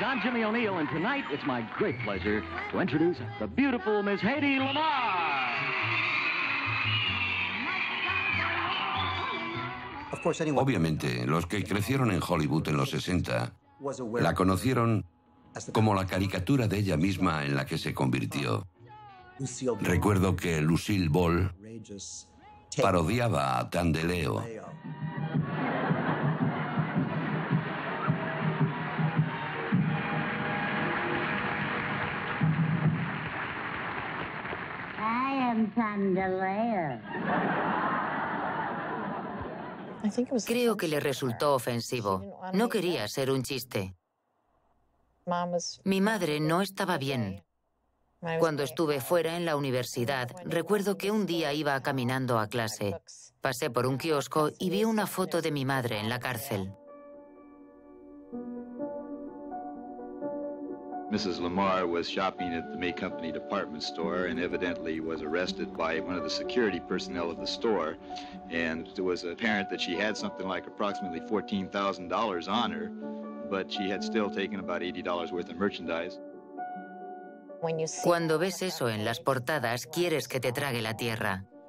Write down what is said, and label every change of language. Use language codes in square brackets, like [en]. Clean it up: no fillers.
[en] I'm Jimmy O'Neill, and tonight it's my great pleasure to introduce the beautiful Miss Hedy Lamarr. Of course, anyone. [es] Obviamente, los que crecieron en Hollywood en los 60 la conocieron como la caricatura de ella misma en la que se convirtió. Recuerdo que Lucille Ball parodiaba a Tan de Leo. Creo que le resultó ofensivo. No quería ser un chiste. Mi madre no estaba bien. Cuando estuve fuera en la universidad, recuerdo que un día iba caminando a clase. Pasé por un kiosco y vi una foto de mi madre en la cárcel. [en] Mrs. Lamarr was shopping at the May Company department store and evidently was arrested by one of the security personnel of the store. And it was apparent that she had something like approximately $14,000 on her, but she had still taken about $80 worth of merchandise. [es] Cuando ves eso en las portadas, quieres que te trague la tierra.